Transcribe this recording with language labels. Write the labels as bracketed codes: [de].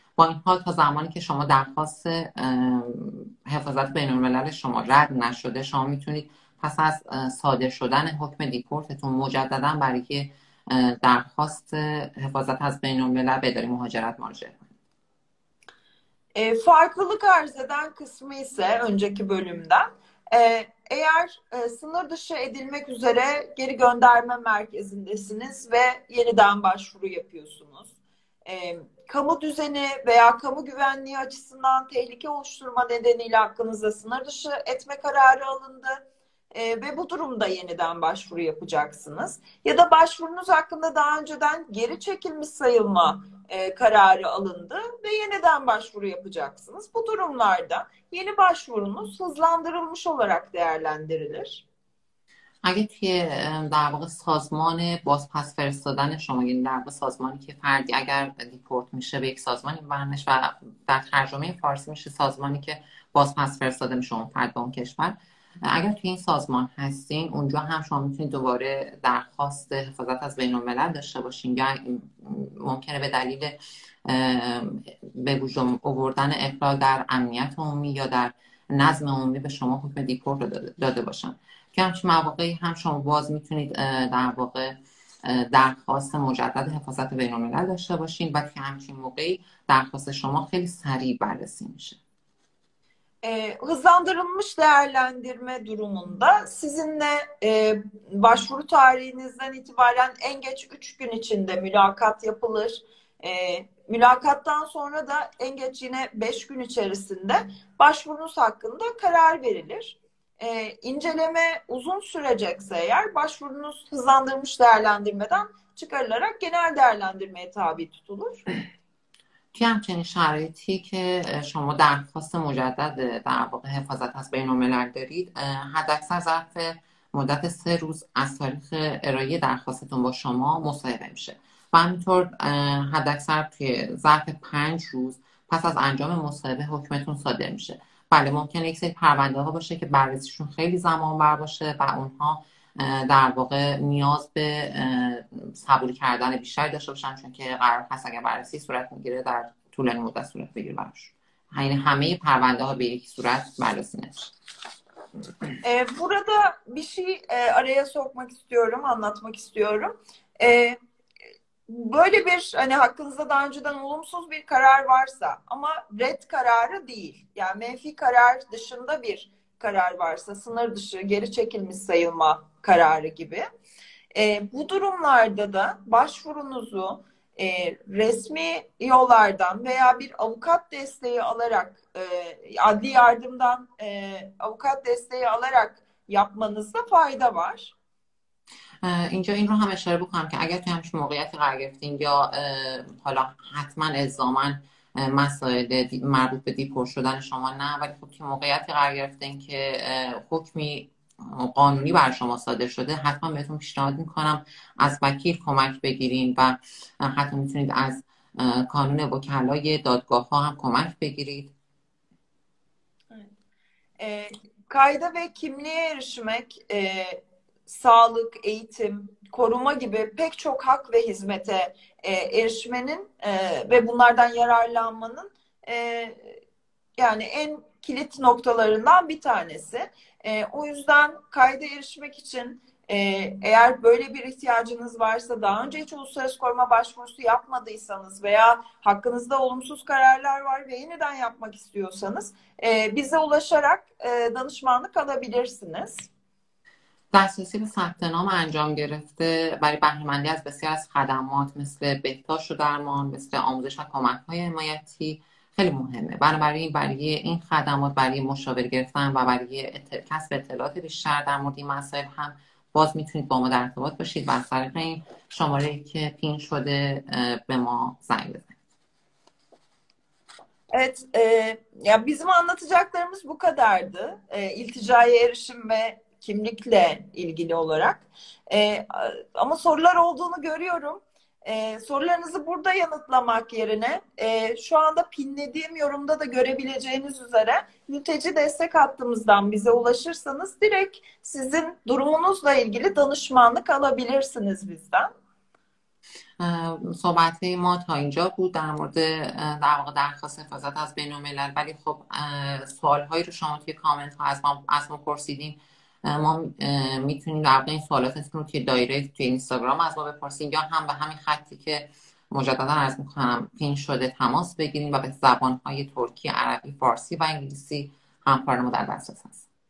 [fa] با این حال تا زمانی که شما درخواست حفاظت بین الملل شما رد نشده، شما میتونید پس از صادر شدن حکم دیپورتتون مجددا برای درخواست حفاظت از بین الملل به اداره مهاجرت مراجعه کنید. [tr] Farklılık arz eden kısmı ise önceki bölümden eğer sınır dışı edilmek üzere geri gönderme merkezindesiniz ve yeniden başvuru yapıyorsunuz. Kamu düzeni veya kamu güvenliği açısından tehlike oluşturma nedeniyle hakkınızda sınır dışı etme kararı alındı. Ve bu durumda yeniden başvuru yapacaksınız. Ya da başvurunuz hakkında daha önceden geri çekilmiş sayılma kararı alındı ve yeniden başvuru yapacaksınız. Bu durumlarda yeni başvurunuz hızlandırılmış olarak değerlendirilir. [fa] اگه توی در واقع سازمان بازپس فرستادن شما، یعنی در واقع سازمانی که فردی اگر دیپورت میشه به یک سازمانی برنش و در ترجمه فارسی میشه سازمانی که بازپس فرستاده میشه اون فرد به اون کشور، اگر توی این سازمان هستین اونجا هم شما میتونید دوباره درخواست حفاظت از بین الملل داشته باشین، یا ممکنه به دلیل به وجود آوردن اخلال در امنیت عمومی یا در نظم عمومی به شما حکم دیپورت داده باشن. که همچین مواقعی هم شما باز میتونید در واقع درخواست مجدد حفاظت بین الملل داشته باشین، بلکه همچین موقعی درخواست شما خیلی سریع بررسی میشه. [tr] Hızlandırılmış değerlendirme durumunda sizinle başvuru tarihinizden itibaren en geç 3 gün içinde mülakat yapılır. Mülakattan sonra da en geç yine 5 gün içerisinde başvurunuz hakkında karar verilir. İnceleme uzun sürecekse eğer başvurunuz hızlandırılmış değerlendirmeden çıkarılarak genel değerlendirmeye tabi tutulur. [fa] توی همچنین شرایطی که شما درخواست مجدد در واقع حفاظت از بین الملل دارید، حداکثر ظرف مدت 3 روز از تاریخ ارائه درخواستتون با شما مصاحبه میشه و همینطور حداکثر توی ظرف 5 روز پس از انجام مصاحبه حکمتون صادر میشه. بله، ممکنه یک سری پرونده ها باشه که بررسیشون خیلی زمان بر باشه و اونها در واقع نیاز به صبوری کردن بیشتری داشته باشن، چون که قرار هست اگر بررسی صورت میگیره در طول مدت صورت بگیره براشون، یعنی همه پرونده ها به یک صورت بررسی نشه. [tr] Burada bir şey araya sokmak istiyorum, anlatmak istiyorum. Böyle bir hani hakkınızda daha önceden olumsuz bir karar varsa ama red kararı değil, yani menfi karar dışında bir karar varsa, sınır dışı, geri çekilmiş sayılma kararı gibi. Bu durumlarda da başvurunuzu resmi yollardan veya bir avukat desteği alarak, adli yardımdan avukat desteği alarak yapmanızda fayda var. [fa] اینجا این رو هم اشاره بکنم که اگر توی همچین موقعیتی قرار گرفتین یا حالا حتما الزاماً مسائل مربوط به دیپورت شدن شما نه، ولی خب توی موقعیتی قرار گرفتین که حکمی قانونی بر شما صادر شده، حتما بهتون پیشنهاد میکنم از وکیل کمک بگیرین و حتی میتونید از کانون وکلای دادگاه ها هم کمک بگیرید. [tr] قاعده و کیمیای ارشمک، sağlık, eğitim, koruma gibi pek çok hak ve hizmete erişmenin ve bunlardan yararlanmanın yani en kilit noktalarından bir tanesi. O yüzden kayda erişmek için eğer böyle bir ihtiyacınız varsa, daha önce hiç uluslararası koruma başvurusu yapmadıysanız veya hakkınızda olumsuz kararlar var ve yeniden yapmak istiyorsanız bize ulaşarak danışmanlık alabilirsiniz. [fa] دسترسی به ثبت نام انجام گرفته برای بهره‌مندی از بسیار از خدمات مثل بهداشت و درمان، مثل آموزش و کمک‌های حمایتی خیلی مهمه. بنابراین برای این خدمات، برای مشاور گرفتن و برای کسب اطلاعات بیشتر در مورد این مسائل هم باز میتونید با ما در ارتباط باشید و از طریق این شماره که پین شده به ما زنگ بزنید. [tr] Evet, ya bizim anlatacaklarımız bu kadardı. İlticaya erişim ve kimlikle ilgili olarak. Ama sorular olduğunu görüyorum. Sorularınızı burada yanıtlamak yerine şu anda pinlediğim yorumda da görebileceğiniz üzere mülteci destek hattımızdan bize ulaşırsanız direkt sizin durumunuzla ilgili danışmanlık alabilirsiniz bizden. [fa] صحبت ما تا اینجا بود در مورد در واقع درخواست حفاظت از بین الملل، ولی خب سوال هایی رو شما توی کامنت ها از ما پرسیدین، ما میتونیم در واقع این سوالات رو توی دایره توی اینستاگرام از ما بپرسیم، یا هم به همین خطی که مجددا عرض میکنم پین شده تماس بگیریم و به زبان های ترکی، عربی، فارسی و انگلیسی همکارم در دسترس هست.